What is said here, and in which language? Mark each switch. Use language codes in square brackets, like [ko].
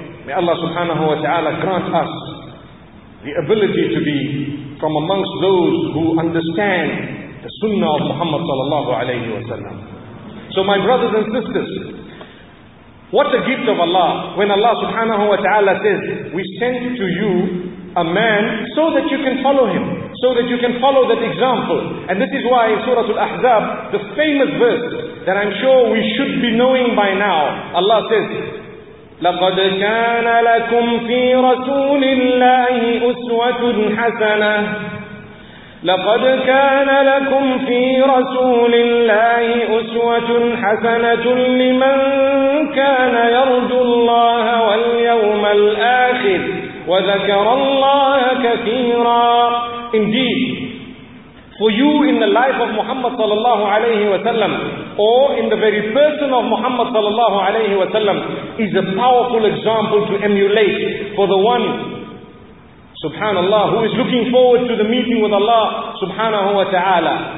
[en] May Allah subhanahu wa ta'ala grant us the ability to be from amongst those who understand the sunnah of Muhammad sallallahu alayhi wa sallam. So my brothers and sisters, what a gift of Allah when Allah subhanahu wa ta'ala says, we sent to you a man so that you can follow him, so that you can follow that example. And this is why in Surah Al-Ahzab, the famous verse that I'm sure we should be knowing by now, Allah says, [ar] لَقَدْ كَانَ لَكُمْ فِي رَسُولِ اللَّهِ أُسْوَةٌ حَسَنَةٌ لَقَدْ كَانَ لَكُمْ فِي رَسُولِ اللَّهِ أُسْوَةٌ حَسَنَةٌ لِمَنْ كَانَ يَرْجُو اللَّهَ وَالْيَوْمَ الْآخِرِ وَذَكَرَ اللَّهَ كَثِيرًا. [en] Indeed, for you in the life of Muhammad sallallahu alayhi wa sallam, or in the very person of Muhammad sallallahu alayhi wa sallam, is a powerful example to emulate for the one, subhanallah, who is looking forward to the meeting with Allah subhanahu wa ta'ala.